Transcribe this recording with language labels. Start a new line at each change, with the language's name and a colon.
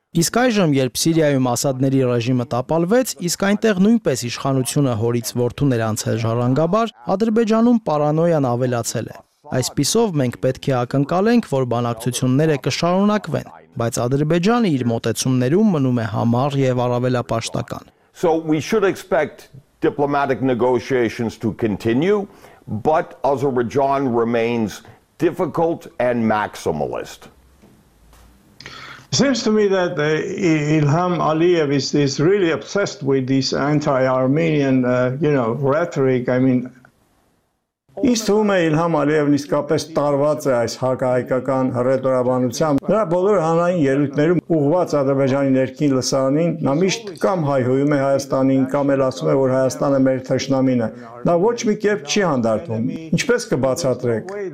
Armenian: Իսկ այժմ, երբ Սիրիայում Ասադների ռեժիմը տապալվեց, իսկ այնտեղ նույնպես իշխանությունը հորից որդու ներանցել ժառանգաբար, Ադրբեջանում պարանոյան ավելացել է։ Այսպիսով մենք պետք է ակնկալենք, որ բանակցությունները կշարունակվեն, բայց Ադրբեջանը իր մոտեցումներում մնում է համառ եւ առավելապաշտական։
English: So we should expect diplomatic negotiations to continue, but Azerbaijan remains difficult and maximalist. It seems to me that Ilham Aliyev is really obsessed with this anti-Armenian, rhetoric. I mean,
Armenian: ինչ թվում է Իլհամ Ալիևն իսկապես տարված է այս հակահայկական հռետորաբանությամբ, նրա բոլոր հանրային ելույթներում ուղղված Ադրբեջանի ներքին լսարանին, նա միշտ կամ հայհոյում է Հայաստանին, կամ էլ ասում է, որ Հայաստանը մեր թշնամին է, նա ոչ մի կերպ չի հանդարտում, ինչպես կբացատրեք?